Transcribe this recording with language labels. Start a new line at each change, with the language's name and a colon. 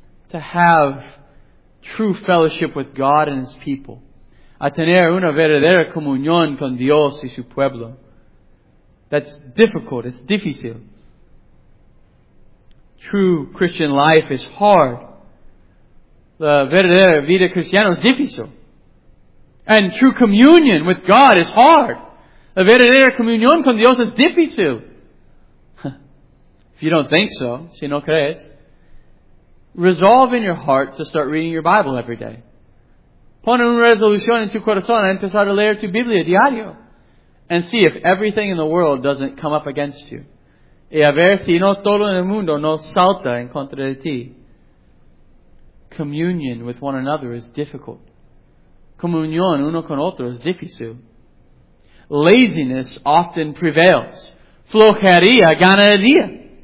English: To have true fellowship with God and His people.
Spanish: A tener una verdadera comunión con Dios y su pueblo.
English: That's difficult, it's difícil. True Christian life is hard.
Spanish: La verdadera vida cristiana es difícil.
English: And true communion with God is hard.
Spanish: La verdadera comunión con Dios es difícil.
English: If you don't think so,
Spanish: si no crees,
English: resolve in your heart to start reading your Bible every day.
Spanish: Pon una resolución en tu corazón a empezar a leer tu Biblia diario.
English: And see if everything in the world doesn't come up against you.
Spanish: Y a ver si no todo en el mundo no salta en contra de ti.
English: Communion with one another is difficult.
Spanish: Comunión uno con otro es difícil.
English: Laziness often prevails.
Spanish: Flojería ganaría.